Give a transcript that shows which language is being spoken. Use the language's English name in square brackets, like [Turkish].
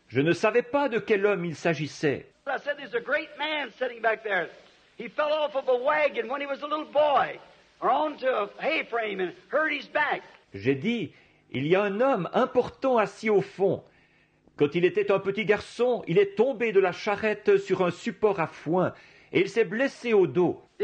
[French] Je ne savais pas de quel homme il s'agissait. [English] I said there's a great man sitting back there. He fell off of a wagon when he was a little boy, or onto a hay frame and hurt his back. [French] J'ai dit, il y a un homme important assis au fond. Quand il était un petit garçon, il est tombé de la charrette sur un support à foin et il s'est blessé au dos.